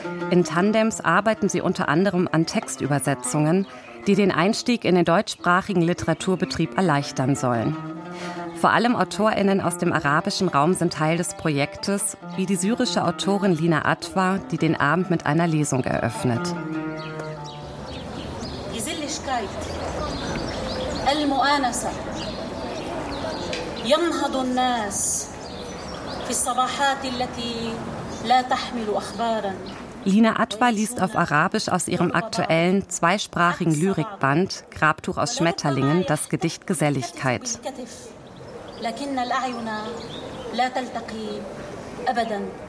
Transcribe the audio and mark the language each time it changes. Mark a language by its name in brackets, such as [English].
[German] In Tandems arbeiten sie unter anderem an Textübersetzungen, die den Einstieg in den deutschsprachigen Literaturbetrieb erleichtern sollen. Vor allem AutorInnen aus dem arabischen Raum sind Teil des Projektes, wie die syrische Autorin Lina Atwa, die den Abend mit einer Lesung eröffnet. [Arabic] المؤانسة ينهض الناس في الصباحات التي لا تحمل أخبارا. [German] Lina Atwa liest auf Arabisch aus ihrem aktuellen zweisprachigen Lyrikband Grabtuch aus Schmetterlingen das Gedicht Geselligkeit. [Arabic] لكن الأعين لا تلتقي أبدا.